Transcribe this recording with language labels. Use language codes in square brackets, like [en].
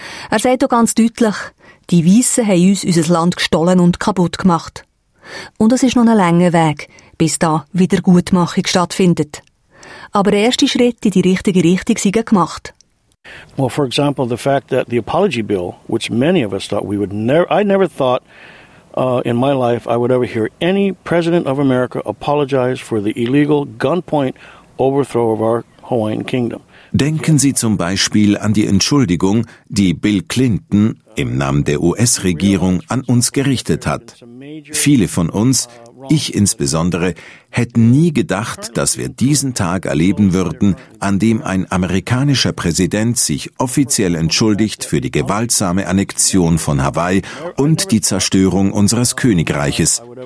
[de] Er sagt auch ganz deutlich, die Weissen haben uns unser Land gestohlen und kaputt gemacht. Und es ist noch ein langer Weg, bis da Wiedergutmachung stattfindet. Aber erste Schritte in die richtige Richtung sind gemacht. [en] Well, for example, the fact that the apology bill, which many of us thought we would never, I never thought in my life I would ever hear any president of America apologize for the illegal gunpoint overthrow of our Hawaiian kingdom. [de] Denken Sie zum Beispiel an die Entschuldigung, die Bill Clinton im Namen der US-Regierung an uns gerichtet hat. Viele von uns, ich insbesondere, hätten nie gedacht, dass wir diesen Tag erleben würden, an dem ein amerikanischer Präsident sich offiziell entschuldigt für die gewaltsame Annexion von Hawaii und die Zerstörung unseres Königreiches.